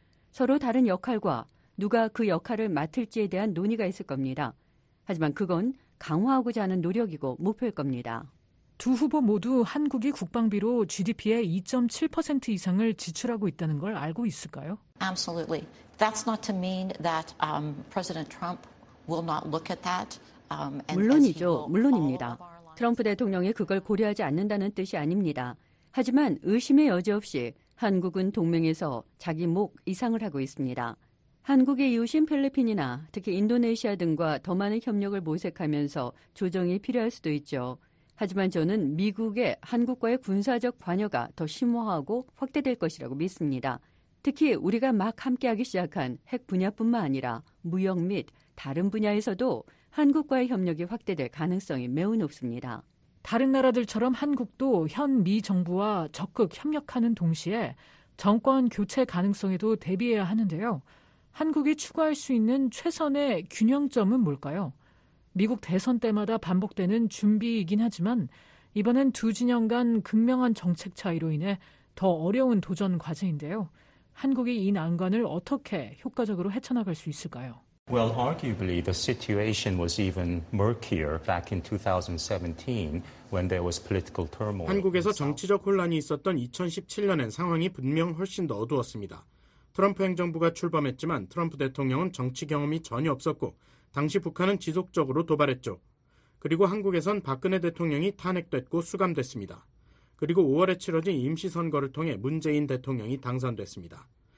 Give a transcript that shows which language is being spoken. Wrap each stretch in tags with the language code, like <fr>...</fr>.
<ko>서로 다른 역할과 누가 그 역할을 맡을지에 대한 논의가 있을 겁니다. 하지만 그건 강화하고자 하는 노력이고 목표일 겁니다. 두 후보 모두 한국이 국방비로 GDP의 2.7% 이상을 지출하고 있다는 걸 알고 있을까요?</ko> <en>Absolutely. That's not to mean that President Trump will not look at that.</en> <ko>물론이죠. 물론입니다. 트럼프 대통령이 그걸 고려하지 않는다는 뜻이 아닙니다. 하지만 의심의 여지 없이 한국은 동맹에서 자기 목 이상을 하고 있습니다. 한국의 이웃인 필리핀이나 특히 인도네시아 등과 더 많은 협력을 모색하면서 조정이 필요할 수도 있죠. 하지만 저는 미국의 한국과의 군사적 관여가 더 심화하고 확대될 것이라고 믿습니다. 특히 우리가 막 함께하기 시작한 핵 분야뿐만 아니라 무역 및 다른 분야에서도 한국과의 협력이 확대될 가능성이 매우 높습니다. 다른 나라들처럼 한국도 현 미 정부와 적극 협력하는 동시에 정권 교체 가능성에도 대비해야 하는데요. 한국이 추구할 수 있는 최선의 균형점은 뭘까요? 미국 대선 때마다 반복되는 준비이긴 하지만 이번엔 두 진영 간 극명한 정책 차이로 인해 더 어려운 도전 과제인데요. 한국이 이 난관을 어떻게 효과적으로 헤쳐나갈 수 있을까요?</ko> <en>Well, arguably the situation was even murkier back in 2017 when there was political turmoil.</en> <ko>한국에서 정치적 혼란이 있었던 2017년엔 상황이 분명 훨씬 더 어두웠습니다. 트럼프 행정부가 출범했지만 트럼프 대통령은 정치 경험이 전혀 없었고 당시 북한은 지속적으로 도발했죠. 그리고 한국에선 박근혜 대통령이 탄핵됐고 수감됐습니다. 그리고 5월에 치러진 임시선거를 통해 문재인 대통령이 당선됐습니다.</ko>